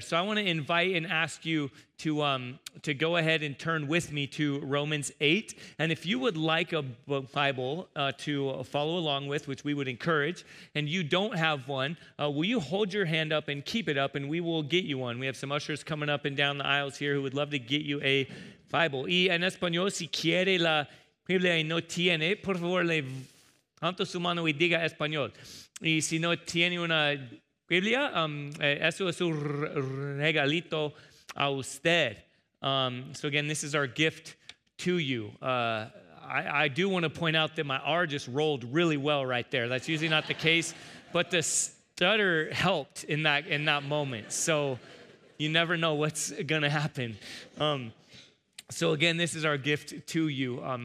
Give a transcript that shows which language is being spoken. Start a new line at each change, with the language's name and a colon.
English: So I want to invite and ask you to go ahead and turn with me to Romans 8. And if you would like a Bible to follow along with, which we would encourage, and you don't have one, will you hold your hand up and keep it up, and we will get you one. We have some ushers coming up and down the aisles here who would love to get you a Bible.
Spanish: Y en español, si quiere la Biblia y no tiene, por favor, levante su mano y diga español. Y si no tiene una Biblia, eso es un regalito a usted.
English: So again, this is our gift to you. I do want to point out that my R just rolled really well right there. That's usually not the case, but the stutter helped in that moment. So you never know what's going to happen. So again, this is our gift to you.